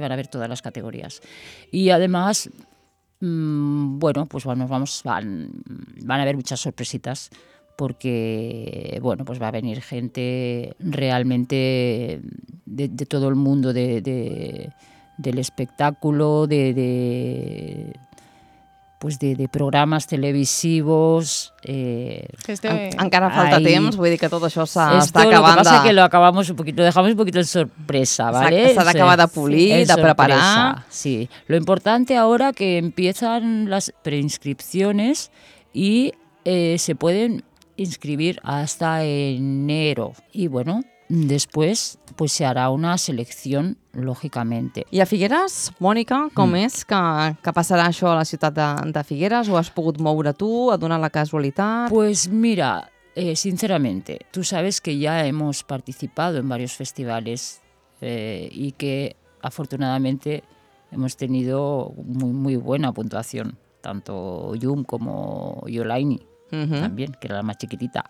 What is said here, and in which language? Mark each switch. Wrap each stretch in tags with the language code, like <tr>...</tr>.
<es>Van a ver todas las categorías. Y además, bueno, pues van a haber muchas sorpresitas, porque, bueno, pues va a venir gente realmente de todo el mundo del espectáculo, de programes televisivos...</es> <ca>Encara falta temps, vull dir que tot això s'està acabant.</ca> <es>Lo que pasa que lo dejamos un poquito en sorpresa, ¿vale?</es> <ca>S'ha d'acabar de polir, sí, de preparar...</ca> <es>Sí, lo importante ahora que empiezan las preinscripciones y se pueden inscribir hasta enero. Y bueno, después pues se hará una selección...</es> <ca>lògicament. I a Figueres, Mònica, com és que passarà això a la ciutat de Figueres? Ho has pogut moure tu, a donar la casualitat?</ca> <es>Pues mira, sinceramente, tú sabes que ya hemos participado en varios festivales y que afortunadamente hemos tenido muy, muy buena puntuación, tanto Yum como Yolaini, también, que era la más chiquitita.</es>